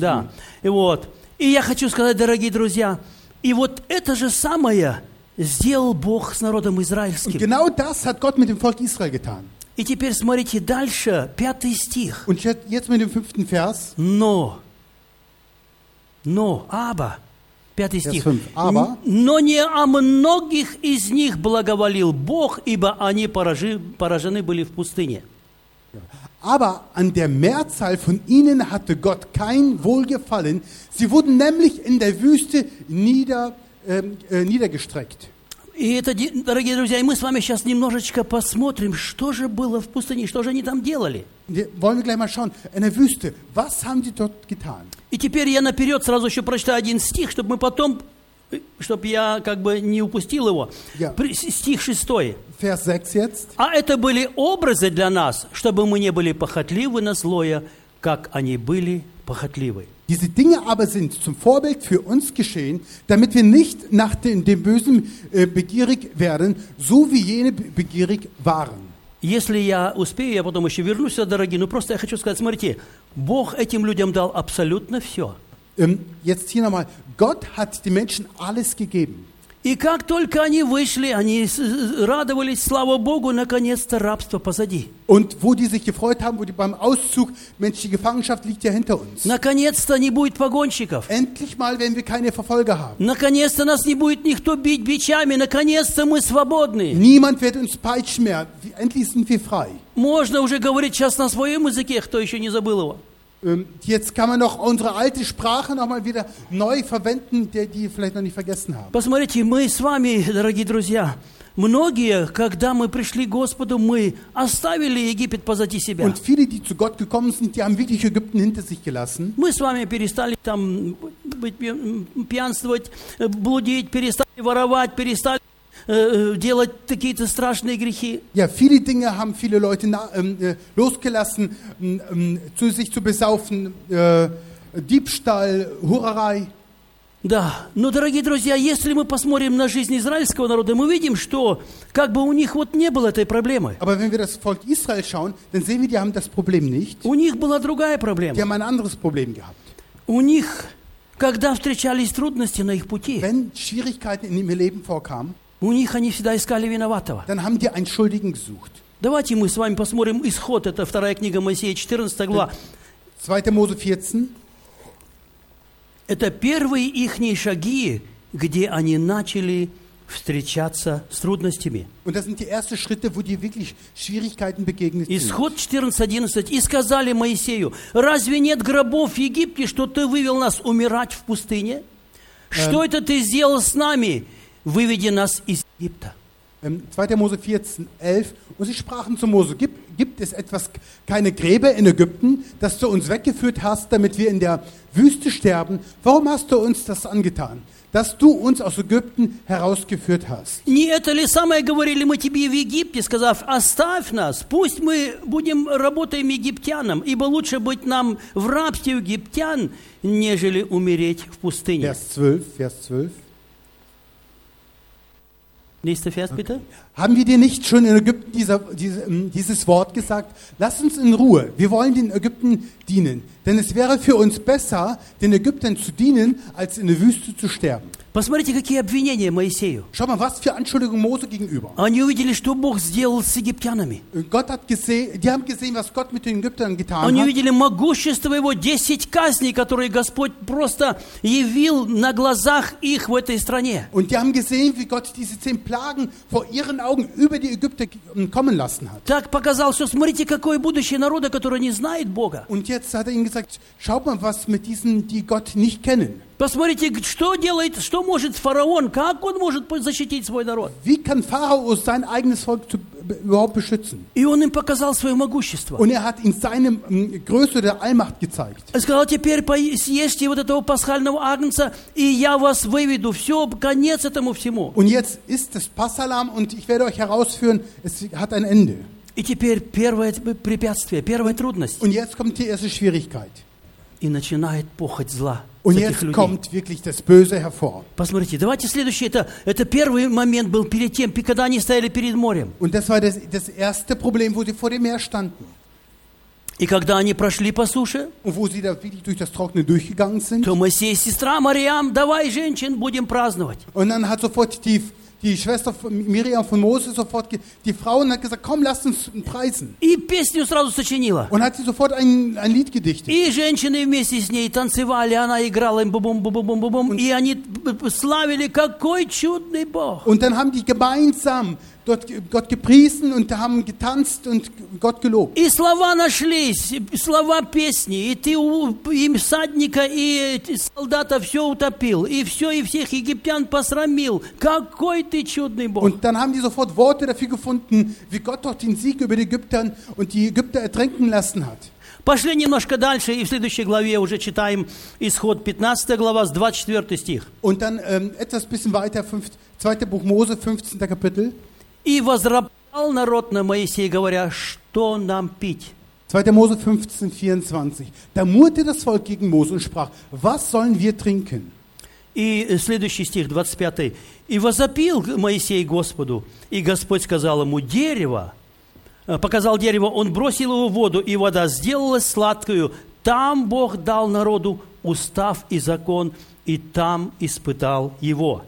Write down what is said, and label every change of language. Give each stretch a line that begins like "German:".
Russian: Да. И вот. И я хочу сказать, дорогие друзья, и вот это же самое сделал Бог с народом израильским.
German: Und genau das hat Gott mit dem Volk Israel getan.
Russian: И теперь смотрите дальше, пятый стих.
German: Und jetzt mit dem fünften Vers.
Russian: Но,
German: aber,
Russian: пятый стих.
German: Vers 5, aber.
Russian: Но не о многих из них благоволил Бог, ибо они поражены были в пустыне.
German: Aber an der Mehrzahl von ihnen hatte Gott kein Wohlgefallen. Sie wurden nämlich in der Wüste niedergestreckt.
Russian: И это, дорогие друзья, и мы с вами сейчас немножечко посмотрим, что же было в пустыне, что же они там делали.
German: Wollen wir gleich mal schauen. In der Wüste, was haben sie dort getan?
Russian: И теперь я наперед сразу еще прочитаю один стих, чтобы мы потом, чтобы я как бы не упустил его. Yeah. Стих шестой.
German: Vers 6 jetzt.
Russian: А это были образы для нас, чтобы мы не были похотливы на злое, как они были похотливы.
German: Diese Dinge aber sind zum Vorbild für uns geschehen, damit wir nicht nach dem Bösen begierig werden, so wie jene begierig waren.
Russian: Если я успею, я потом еще вернусь сюда, дорогие, но просто я хочу сказать, смотрите, Бог этим людям дал абсолютно все.
German: Jetzt hier nochmal. Gott hat den Menschen alles gegeben.
Russian: И как только они вышли, они радовались, слава Богу, наконец-то рабство позади.
German: Und wo die sich gefreut haben, wo die beim Auszug, Mensch, die Gefangenschaft liegt ja hinter uns.
Russian: Наконец-то не будет погонщиков.
German: Endlich mal, wenn wir keine Verfolger haben.
Russian: Наконец-то нас не будет никто бить бичами, наконец-то мы свободны.
German: Niemand wird uns peitschen mehr, endlich sind wir frei.
Russian: Можно уже говорить сейчас на своем языке, кто еще не забыл его.
German: Jetzt kann man noch unsere alte Sprache noch mal wieder neu verwenden, die vielleicht noch nicht vergessen haben.
Russian: Посмотрите, мы с вами, дорогие друзья, многие, когда мы пришли к Господу, мы оставили Египет позади себя.
German: Und viele, die zu Gott gekommen sind, die haben wirklich Ägypten hinter sich gelassen.
Russian: Мы с вами перестали там пьянствовать, блудить, перестали воровать, перестали делать какие-то страшные грехи.
German: Ja, viele Dinge haben viele Leute losgelassen, zu sich zu besaufen, Diebstahl, Hurerei.
Russian: Да, но, дорогие друзья, если мы посмотрим на жизнь израильского народа, мы видим, что как бы у них вот не было этой проблемы.
German: Aber wenn wir das Volk Israel schauen, dann sehen wir, die haben das Problem nicht.
Russian: У них была другая проблема.
German: Die haben ein anderes Problem gehabt.
Russian: У них, когда встречались трудности на их пути,
German: wenn Schwierigkeiten in ihrem Leben vorkamen,
Russian: у них они всегда искали виноватого.
German: Dann haben die einen Schuldigen gesucht.
Russian: Давайте мы с вами посмотрим исход. Это вторая книга Моисея, 14 глава.
German: 2 Mose 14.
Russian: Это первые ихние шаги, где они начали встречаться с трудностями.
German: Und das sind die ersten Schritte, wo die wirklich Schwierigkeiten begegnet sind.
Russian: Исход 14:11. И сказали Моисею, разве нет гробов в Египте, что ты вывел нас умирать в пустыне? Что это ты сделал с нами? Выведи нас из Египта.
German: 2. Mose 14:11. Und sie sprachen zu Mose, gibt es etwas, keine Gräber in Ägypten, das du uns weggeführt hast, damit wir in der Wüste sterben? Warum hast du uns das angetan, dass du uns aus Ägypten herausgeführt hast?
Russian: Не это ли самое говорили мы тебе в Египте, сказав, оставь нас, пусть мы будем работаем египтянам, ибо лучше быть нам в рабстве египтян, нежели умереть в пустыне.
German: Vers 12. Nächster Vers, bitte. Okay. Haben wir dir nicht schon in Ägypten dieses Wort gesagt? Lass uns in Ruhe. Wir wollen den Ägyptern dienen. Denn es wäre für uns besser, den Ägyptern zu dienen, als in der Wüste zu sterben.
Russian: Посмотрите, какие обвинения Моисею.
German: Schau mal, was für Anschuldigung Mose gegenüber.
Russian: Они увидели, что Бог сделал с египтянами.
German: Gott hat gesehen, die haben gesehen, was Gott mit den Ägyptern getan
Russian: Они
German: hat.
Russian: Они увидели могущество его 10 казней, которые Господь просто явил на глазах их в этой стране.
German: Und die haben gesehen, wie Gott diese 10 Plagen vor ihren Augen über die Ägypter kommen lassen hat.
Russian: Так показал, что смотрите, какое будущее народа, который не знает Бога.
German: Und jetzt hat ihnen gesagt, schaut mal, was mit diesen, die Gott nicht kennen.
Russian: Посмотрите, что делает, что может фараон, как он может защитить свой народ?
German: Wie kann Pharao sein eigenes Volk überhaupt beschützen?
Russian: И он им показал свое могущество.
German: Und er hat in seinem Größe der Allmacht gezeigt.
Russian: Он сказал, теперь съешьте вот этого пасхального агнца, и я вас выведу, все, конец этому всему.
German: Und jetzt ist das Passahlamm und ich werde euch herausführen, es hat ein Ende.
Russian: И теперь первое препятствие, первая трудность.
German: Und jetzt kommt die erste Schwierigkeit.
Russian: И начинает похоть зла.
German: Und jetzt kommt wirklich das Böse hervor.
Russian: Посмотрите, давайте следующий. Это первый момент был перед тем, когда они стояли перед морем.
German: Und das war das erste Problem, wo sie vor dem Meer standen.
Russian: И когда они прошли по суше, то Моисей и сестра Мариам, давай, женщин, будем праздновать.
German: Und dann hat sofort die Schwester Miriam von Moses sofort die Frauen hat gesagt, komm, lass uns preisen.
Russian: И песню сразу сочинила.
German: Und hat sie sofort ein Lied gedichtet.
Russian: И женщины вместе с ней танцевали, она играла им бум-бум-бум-бум-бум-бум, и они славили, какой чудный Бог.
German: Und dann haben die gemeinsam Gott gepriesen und haben getanzt und Gott gelobt.
Russian: И слова нашлись, слова песни, и ты им всадника и солдата все утопил, и все и всех египтян посрамил. Какой ты чудный Бог!
German: Und dann haben die sofort Worte dafür gefunden, wie Gott dort den Sieg über die Ägypter und die Ägypter ertränken lassen hat.
Russian: Пошли немножко дальше, и в следующей главе уже читаем Исход 15 глава с 24 стих.
German: Und dann etwas bisschen weiter, 2. Buch Mose, 15. Kapitel.
Russian: И возроптал народ на Моисея, говоря, что нам пить?
German: 2. Mose 15:24. Da murrte das Volk gegen Mose und sprach, was sollen wir trinken?
Russian: И следующий стих, 25. И возопил Моисей Господу, и Господь сказал ему, дерево, показал дерево, он бросил его в воду, и вода сделалась сладкою. Там Бог дал народу устав и закон, и там испытал его.